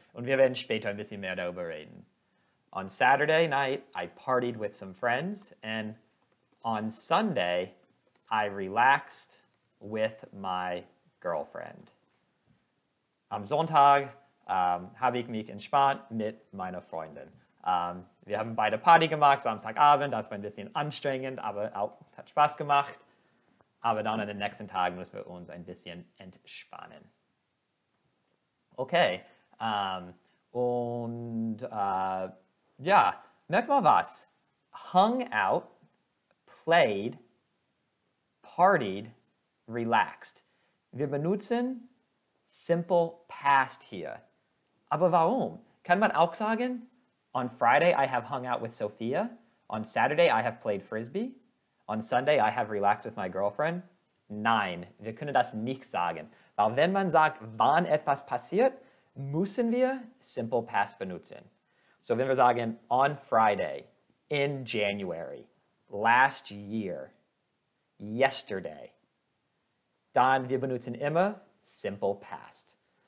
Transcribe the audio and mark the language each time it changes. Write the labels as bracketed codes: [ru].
[de] Und wir werden später ein bisschen mehr darüber reden. [en] On Saturday night, I partied with some friends. And on Sunday, I relaxed with my girlfriend. [de] Am Sonntag habe ich mich entspannt mit meiner Freundin. Wir haben beide Party gemacht, Samstagabend. Das war ein bisschen anstrengend, aber auch hat Spaß gemacht. Aber dann an den nächsten Tagen müssen wir uns ein bisschen entspannen. Okay, ja, merk mal was. [en] Hung out, played, partied, relaxed. [de] Wir benutzen simple past here. Aber warum? [en] Kann man auch sagen, on Friday I have hung out with Sophia. On Saturday I have played Frisbee. On Sunday I have relaxed with my girlfriend. [de] Nein, wir können das nicht sagen. Weil wenn man sagt, wann etwas passiert, müssen wir simple past benutzen. So wenn wir sagen, [en] on Friday, in January, last year, yesterday, [de] dann wir benutzen immer simple past.